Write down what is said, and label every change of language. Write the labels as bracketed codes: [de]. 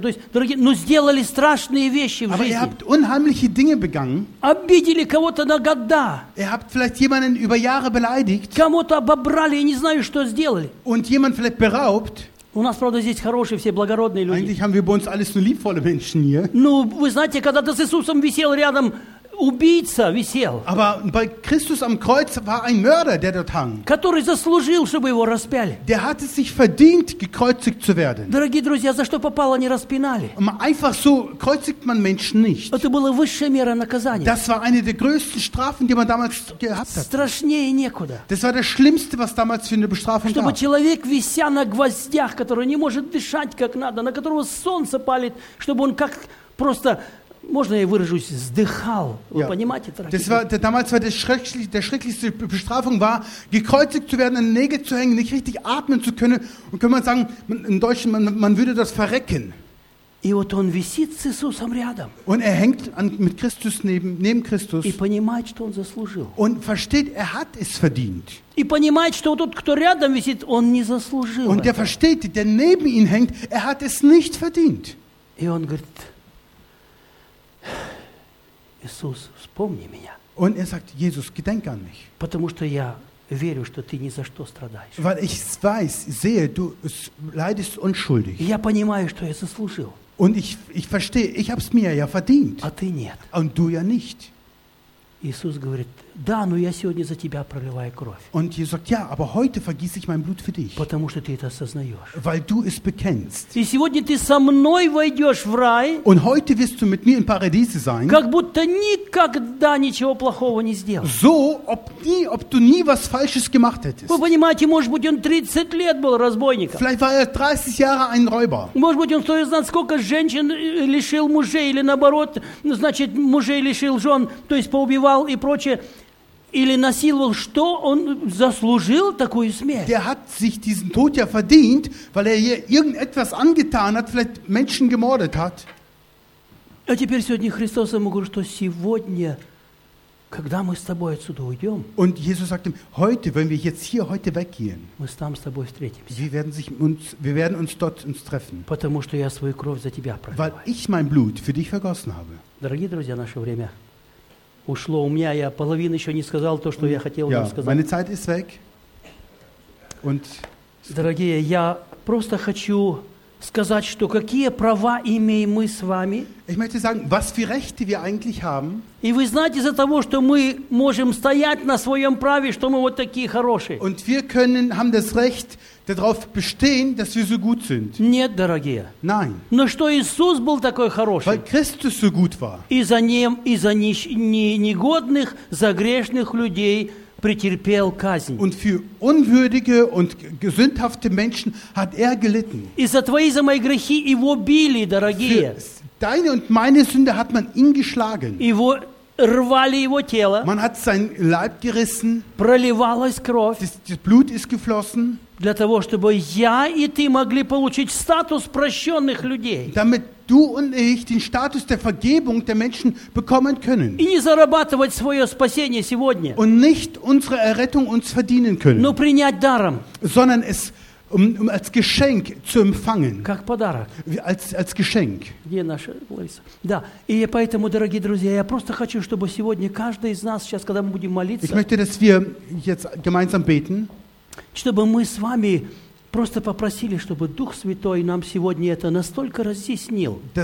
[ru] То есть, дорогие, ну сделали страшные вещи в [de] Aber [ru] жизни. [de] Ihr habt unheimliche Dinge begangen. [ru] Обидели кого-то на года. [de] Ihr habt vielleicht jemanden über Jahre beleidigt. [ru] Кому-то обобрали, я не знаю, что сделали. [de] Und jemand vielleicht beraubt. [ru] У нас, правда, здесь хорошие, все благородные люди. [de] Eigentlich haben wir bei uns alles nur liebvolle Menschen hier. [ru] Ну, вы знаете, когда ты с Иисусом висел рядом, убийца висел. [de] Aber bei Christus am Kreuz war ein Mörder, der dort hang. [ru] Который заслужил, чтобы его распяли. [de] Der hatte sich verdient, gekreuzigt zu werden. [ru] Дорогие друзья, за что попало, не распинали. [de] Einfach so kreuzigt man Menschen nicht. [ru] Это была высшая мера наказания. [de] Das war eine der größten Strafen, die man damals gehabt hat. [ru] Страшнее некуда. [de] Das war das Schlimmste, was damals für eine Bestrafung [ru] чтобы [de] gab. [ru] Чтобы человек, вися на гвоздях, который не может дышать как надо, на которого солнце палит, чтобы он как просто... Можно я выражусь, сдыхал. Вы yeah. понимаете, дорогие? [de] Das war, damals war der schrecklichste Bestrafung war, gekreuzigt zu werden, an Nägel zu hängen, nicht richtig atmen zu können. Und kann man sagen, in Deutschland, man würde das verrecken. [ru] И вот он висит с Иисусом рядом. [de] Und er hängt mit Christus neben Christus. [ru] И понимает, что он заслужил. [de] Und versteht, er hat es verdient. [ru] И понимает, что тот, кто рядом висит, он не заслужил. [de] Und er versteht, der neben ihn hängt, er hat es nicht verdient. [ru] И он говорит... Иисус, вспомни меня. [de] Und er sagt, Jesus, gedenk an mich. [ru] Потому что я верю, что ты ни за что страдаешь. [de] Weil ich weiß, sehe, du leidest unschuldig. [ru] Я понимаю, что я заслужил. [de] Und ich verstehe, ich hab's mir ja verdient. [ru] А ты нет. [de] Und du ja nicht. [ru] Иисус говорит, Да, но я сегодня за тебя проливаю кровь. [de] Und Jesus sagt, ja, aber heute vergieße ich mein Blut für dich. [ru] Потому что ты это осознаешь. [de] Weil du es bekennst. [ru] И сегодня ты со мной войдешь в рай. [de] Und heute wirst du mit mir im Paradies sein. [ru] Как будто никогда ничего плохого не сделал. [de] So, ob du nie was Falsches gemacht hättest. [ru] Вы понимаете, может быть, он 30 лет был разбойником. [de] Vielleicht war er 30 Jahre ein Räuber. [ru] Может быть, он кто знает, сколько женщин лишил мужей или наоборот, значит, мужей лишил жен, то есть поубивал и прочее. Или насиловал, что он заслужил такую смерть? [de] Der hat sich diesen Tod ja verdient, weil er hier irgendetwas angetan hat, vielleicht Menschen gemordet hat. [ru] А теперь сегодня Христос ему говорит, что сегодня, когда мы с тобой отсюда уйдем, [de] und Jesus sagt ihm, heute, wenn wir jetzt hier heute weggehen, [ru] мы там с тобой встретимся. [de] Wir werden uns dort uns treffen. [ru] Потому что я свою кровь за тебя проливаю. [de] Weil ich mein Blut für dich vergossen habe. [ru] Дорогие друзья, наше время ушло у меня, я половину еще не сказал то, что я хотел вам сказать. [de] Meine Zeit ist weg. Und [ru] дорогие, я просто хочу сказать, что какие права имеем мы с вами. [de] Ich möchte sagen, was für Rechte wir eigentlich haben. [ru] И вы знаете, из-за того, что мы можем стоять на своем праве, что мы вот такие хорошие. [de] Und wir können, haben das Recht, darauf bestehen, dass wir so gut sind. [ru] Нет, дорогие. [de] Nein. [ru] Но что Иисус был такой хороший. [de] Weil Christus so gut war. [ru] Из-за ним, из-за негодных, за грешных людей претерпел казнь. [de] Und für unwürdige und gesündhafte Menschen hat er gelitten. [ru] Из-за твоей, за мои грехи его били, дорогие. [de] Deine und meine Sünde hat man ihn geschlagen. [ru] Его рвали его тело. [de] Man hat sein Leib gerissen. [ru] Проливалась кровь. [de] Das Blut ist geflossen. [ru] Для того, чтобы я и ты могли получить статус прощенных людей. [de] Damit du und ich den Status der Vergebung der Menschen bekommen können. [ru] И не зарабатывать свое спасение сегодня. [de] Und nicht unsere Errettung uns verdienen können. [ru] Но принять даром. [de] Sondern es als Geschenk zu empfangen. [ru] Как подарок. [de] Als Geschenk. [ru] Где наша Лариса? Да. И поэтому, дорогие друзья, я просто хочу, чтобы сегодня каждый из нас, сейчас, когда мы будем молиться, [de] ich möchte, dass wir jetzt gemeinsam beten, [ru] чтобы мы с вами просто попросили, чтобы Дух Святой нам сегодня это настолько разъяснил.